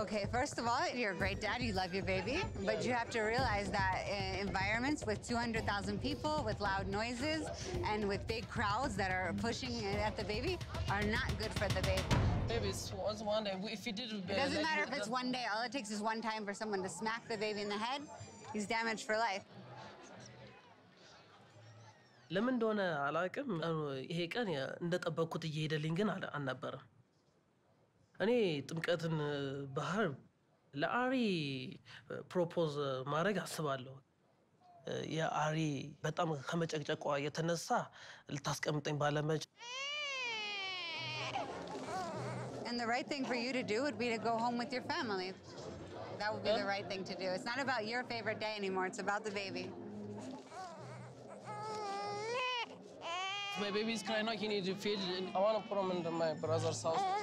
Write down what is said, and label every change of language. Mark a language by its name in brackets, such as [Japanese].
[English] Okay, first of all, you're a great dad, you love your baby, but you have to realize that in environments with 200,000 people, with loud noises, and with big crowds that are pushing at the baby are not good for the baby. Baby, it's one day. If you did it doesn't matter if it's one day. All it takes is one time for someone to smack the baby in the head. He's damaged for life. [Amharic] ለምን እንደሆነ አላውቅም ይሄ ቀን እንደጠበቅኩት እየሄደልኝ ግን አልነበረም እኔ ጥምቀትን ባህር ለአሪ ፕሮፖዝ ማድረግ አስባለሁ የአሪ በጣም ከመጨቅጨቋ የተነሳ ልታስቀምጠኝ ባለመች [English] And the right thing for you to do would be to go home with your family. That would be the right thing to do. It's not about your favorite day anymore. It's about the baby. My baby's crying now. He needs to feed. I want to put him in my brother's house.